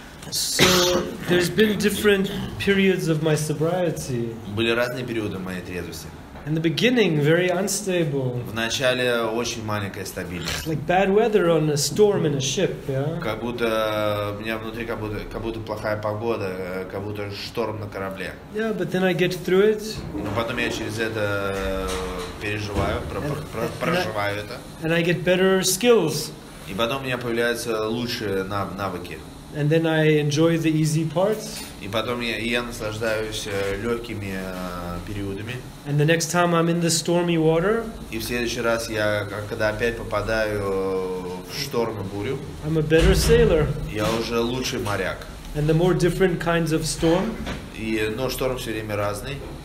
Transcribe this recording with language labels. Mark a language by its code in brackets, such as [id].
[en] So there's been different periods of my sobriety. [ru] Были разные периоды моей трезвости. [en] In the beginning, very unstable. [ru] В начале очень маленькая стабильность. [en] Like bad weather on a storm in a ship, yeah. [ru] Как будто у меня внутри как будто плохая погода, как будто шторм на корабле. [en] Yeah, but then I get through it. [ru] Но потом я через это переживаю, проживаю это. [en] And I get better skills. [ru] И потом у меня появляются лучшие навыки. [en] And then I enjoy the easy parts. [ru] И потом я наслаждаюсь легкими периодами. [en] And the next time I'm in the stormy water. [ru] И в следующий раз я, когда опять попадаю в шторм и бурю. [en] I'm a better sailor. [ru] Я уже лучший моряк. [en] And the more different kinds of storm. [ru] Но шторм все время разный.